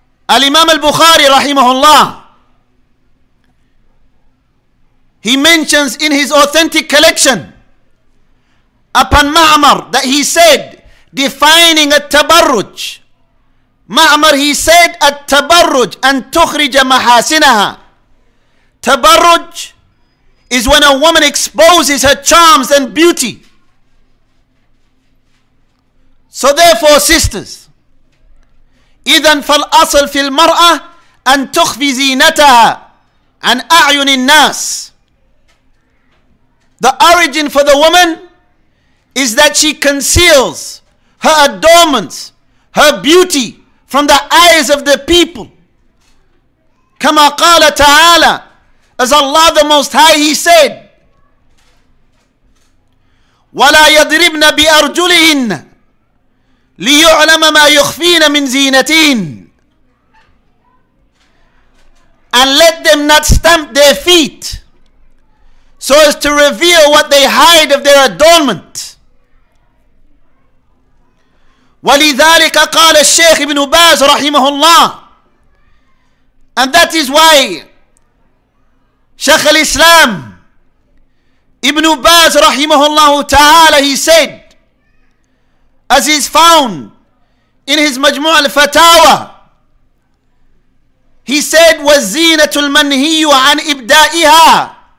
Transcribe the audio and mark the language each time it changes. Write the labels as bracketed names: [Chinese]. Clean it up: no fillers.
[Arabic] الإمام البخاري رحمه الله, [English] he mentions in his authentic collection upon Ma'mar that he said, defining التبرج, Ma'mar, he said, at-tabarruj, [Arabic] an tukhrija mahasinaha. [English] Tabarruj is when a woman exposes her charms and beauty. So therefore, sisters, [Arabic] إِذَنْ فَالْأَصَلْ فِي الْمَرْأَةِ أَنْ تُخْفِي زِينَتَهَا أَنْ أَعْيُنِ النَّاسِ. [English] The origin for the woman is that she conceals her adornments, her beauty, from the eyes of the people. [Arabic] كَمَا قَالَ تَعَالَى. [English] As Allah the Most High, He said, [Arabic] وَلَا يَضْرِبْنَ بِأَرْجُلِهِنَّ لِيُعْلَمَ مَا يُخْفِينَ مِنْ زِينَتِينَ. [English] And let them not stamp their feet so as to reveal what they hide of their adornment. [Arabic] وَلِذَلِكَ قَالَ الشَّيْخِ بْنُ بَازُ رَحِمَهُ اللَّهِ. [English] And that is why Shaykh al-Islam Ibn Baz rahimahullah ta'ala, he said, as is found in his Majmu' al-Fatawa, he said, [Arabic] وَالزِّينَةُ الْمَنْهِيُّ عَنْ إِبْدَائِهَا.